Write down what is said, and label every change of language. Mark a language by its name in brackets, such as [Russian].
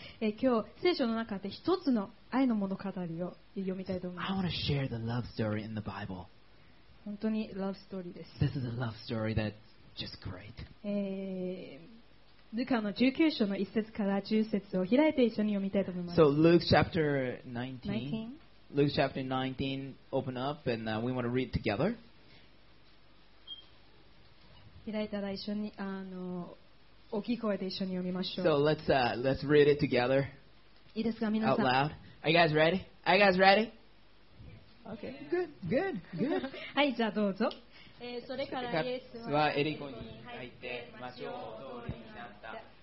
[Japanese] 今日聖書の中で一つの愛の物語を読みたいと思います。 [English] I want to share the love story in the Bible. [Japanese] 本当にラブストーリーです。 [English] This is a love story that's just great. [Japanese] ルカの19章の1節から10節を開いて一緒に読みたいと思います。 [English] So Luke chapter 19. Luke chapter 19, open up and we want to read together. [Japanese] 開いたら一緒に大きい声で一緒に読みましょう。 [English] So let's read it together. [Japanese] いいですか、皆さん。 [English] Out loud. Are you guys ready? Are you guys ready? Okay. Good. Good. Good. [Japanese] はい、じゃあどうぞ。それからイエスはエリコに入って町を通りになった。